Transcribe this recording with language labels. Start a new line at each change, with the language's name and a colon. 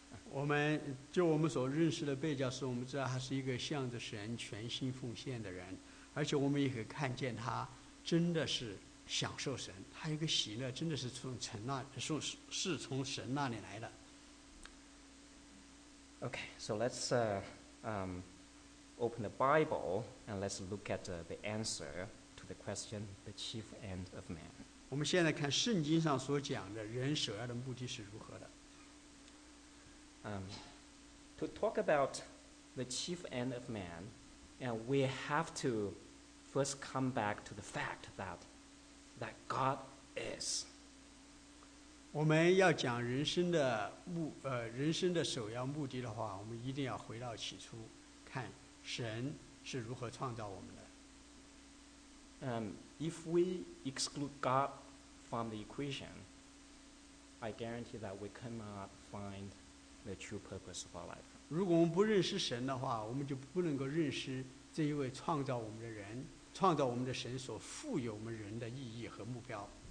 Chinese: 我们就我们所认识的贝教师，我们知道他是一个向着神全心奉献的人，而且我们也可以看见他真的是享受神，他一个喜乐真的是从神那里来的。
English: Okay, so let's open the Bible and let's look at the answer to the question, the chief end of man.
Chinese: 我们现在看圣经上所讲的人首要的目的是如何的。
English: To talk about the chief end of man, and we have to first come back to the fact that God is.
Chinese: 我们要讲人生的目人生的首要目的的话，我们一定要回到起初，看神是如何创造我们的。
English: If we exclude God from the equation, I guarantee that we cannot find. The true purpose of our life.
Chinese: 如果我们不认识神的话，我们就不能够认识这一位创造我们的人，创造我们的神所赋予我们人的意义和目标。